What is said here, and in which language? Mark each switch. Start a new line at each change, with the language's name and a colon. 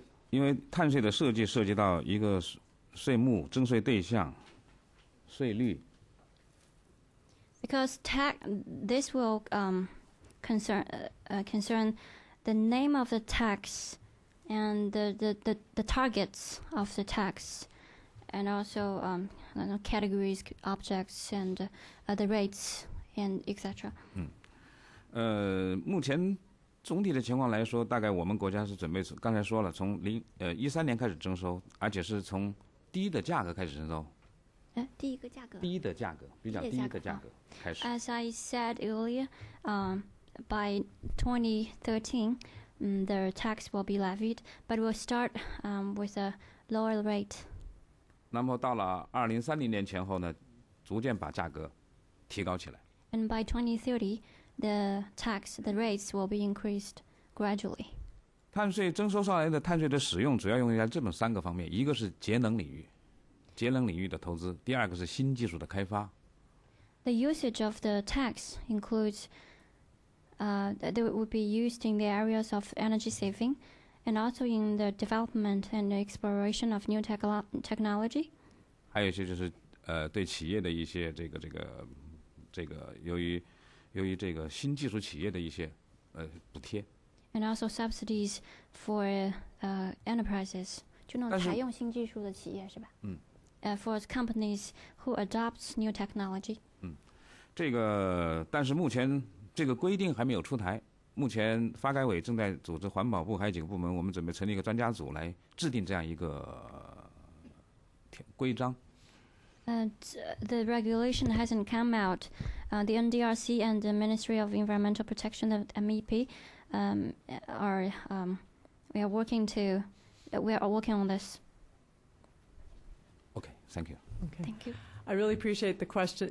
Chinese: 因为碳税的设计涉及到一个税目、征税对象、税率。
English: Because tax, this will concern the name of the tax and the targets of the tax, and also categories, objects, and the rates, and etc.
Chinese: 目前总体的情况来说，大概我们国家是准备刚才说了，从2013年开始征收，而且是从低的价格开始征收。
English: As I said earlier, by 2013, the tax will be levied, but we'll start with a lower rate.
Chinese: 那么到了2030年前后呢，逐渐把价格提高起来。
English: And by 2030, the rates will be increased gradually.
Chinese: 碳税征收上来的碳税的使用主要用于这么三个方面，一个是节能领域。节能领域的投资，第二个是新技术的开发。
English: The usage of the tax includes, that it would be used in the areas of energy saving, and also in the development and exploration of new technology.
Chinese: 还有一些就是对企业的一些这个由于这个新技术企业的一些补贴。
English: And also subsidies for enterprises.
Chinese: 就那种采用新技术的企业是吧？嗯。
English: For companies who adopt new technology.
Chinese: 这个但是目前这个规定还没有出台，目前发改委正在组织环保部还有几个部门，我们准备成立一个专家组来制定这样一个规章。
English: The regulation hasn't come out. The NDRC and the Ministry of Environmental Protection, the MEP, we are working on this. Thank you. Okay. Thank you. I really appreciate the question.